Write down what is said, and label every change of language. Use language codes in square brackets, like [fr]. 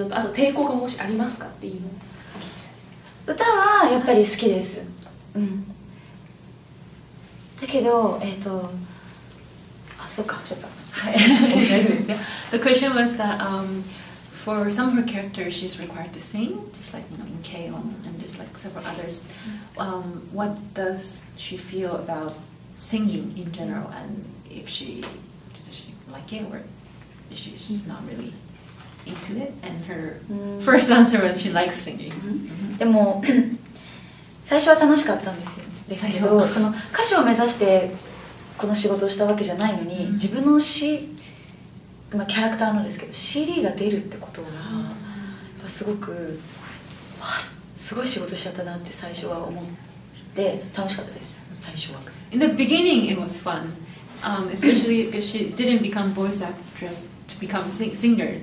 [ja] アニメの役柄としてこうたまにこう歌っていることとかもあると思うんですけど、例えば軽音の中でもそういった歌を歌うこと自体こう好きですかっていうのと、あと抵抗がもしありますかっていうのを。歌はやっぱり好きです。だけど、そっか、ちょっと。はい。大丈夫ですよ。 [en] The question was that for some of her characters, she's required to sing, just like, you know, in K-On and just like several others. What does she feel about singing in general? And if she, does she like it or is she, she's not really into it? And her first answer was she likes singing. [ja] でも 最初は楽しかったんですよ。ですけど、その歌手を目指してこの仕事をしたわけじゃないのに、自分の詩、まあキャラクターのですけど、CDが出るってことは、すごい仕事しちゃったなって最初は思って楽しかったです、最初は。 [en] In the beginning it was fun, especially because she didn't become voice actress to become singer.